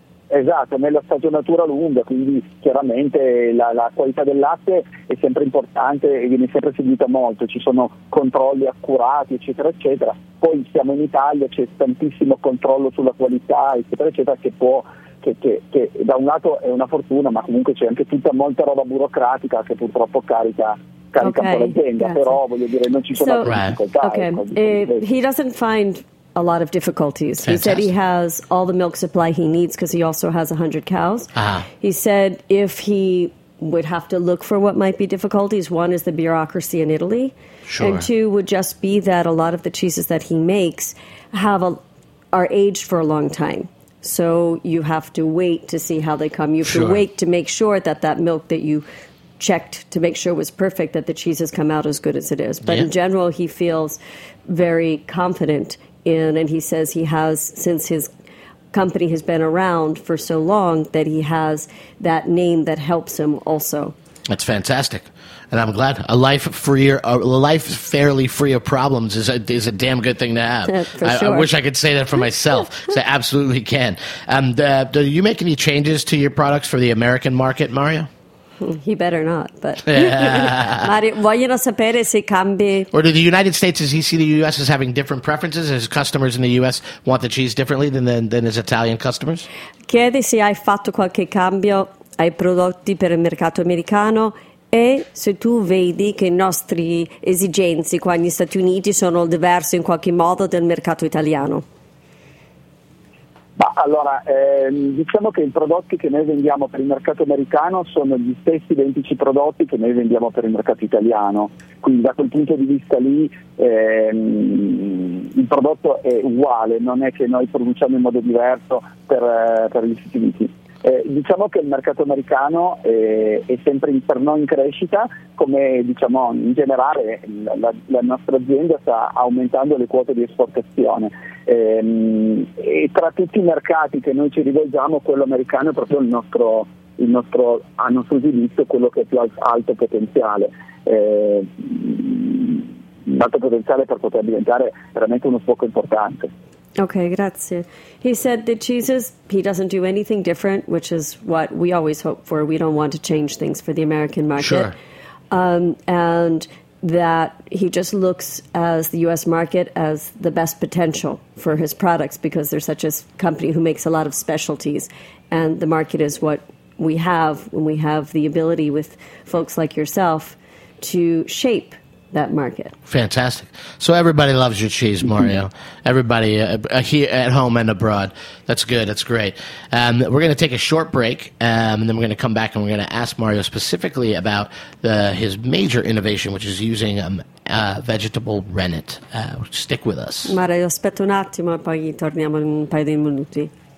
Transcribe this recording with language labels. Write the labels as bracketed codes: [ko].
[it] Esatto, nella stagionatura lunga, quindi chiaramente la qualità del latte è sempre importante e viene sempre seguita molto, ci sono controlli accurati eccetera eccetera, poi siamo in Italia, c'è tantissimo controllo sulla qualità eccetera eccetera che da un lato è una fortuna, ma comunque c'è anche tutta molta roba burocratica che purtroppo carica okay, un po' l'azienda, grazie. Però voglio dire non ci sono difficoltà. Okay. [en] He doesn't find a lot of difficulties. Fantastic. He said he has all the milk supply he needs because he also has 100 cows. Uh-huh. He said if he would have to look for what might be difficulties, one is the bureaucracy in Italy, sure. and two would just be that a lot of the cheeses that he makes are aged for a long time. So you have to wait to see how they come. You have sure. to wait to make sure that milk that you checked to make sure was perfect, that the cheese has come out as good as it is. But yeah. in general, he feels very confident. And he says he has, since his company has been around for so long, that he has that name that helps him also. That's fantastic. And I'm glad. A life fairly free of problems is a damn good thing to have. For sure. I wish I could say that for myself, because I absolutely can. Do you make any changes to your products for the American market, Mario? He better not, but... Yeah. [it] Mario, vogliono sapere se cambi... [en] Or do the United States, does he see the U.S. as having different preferences? His customers in the U.S. want the cheese differently than his Italian customers? [it] Chiede se hai fatto qualche cambio ai prodotti per il mercato americano e se tu vedi che i nostri esigenze qua negli Stati Uniti sono diverse in qualche modo del mercato italiano. Ma allora, diciamo che i prodotti che noi vendiamo per il mercato americano sono gli stessi identici prodotti che noi vendiamo per il mercato italiano, quindi da quel punto di vista lì il prodotto è uguale, non è che noi produciamo in modo diverso per gli Stati Uniti. Diciamo che il mercato americano è sempre per noi in crescita, come diciamo in generale la nostra azienda sta aumentando le quote di esportazione. E tra tutti i mercati che noi ci rivolgiamo, quello americano è proprio il nostro il nostro, a nostro giudizio, quello che è più alto potenziale. Alto potenziale per poter diventare veramente uno sfocco importante. Okay, grazie. [en] He said that Jesus, he doesn't do anything different, which is what we always hope for. We don't want to change things for the American market. Sure. And that he just looks as the U.S. market as the best potential for his products because they're such a company who makes a lot of specialties, and the market is what we have when we have the ability with folks like yourself to shape that market. Fantastic. So everybody loves your cheese, Mario. Everybody here at home and abroad. That's good. That's great. We're going to take a short break, and then we're going to come back, and we're going to ask Mario specifically about his major innovation, which is using vegetable rennet. Stick with us. [it] Mario, aspetta un attimo, poi torniamo in un paio di minuti.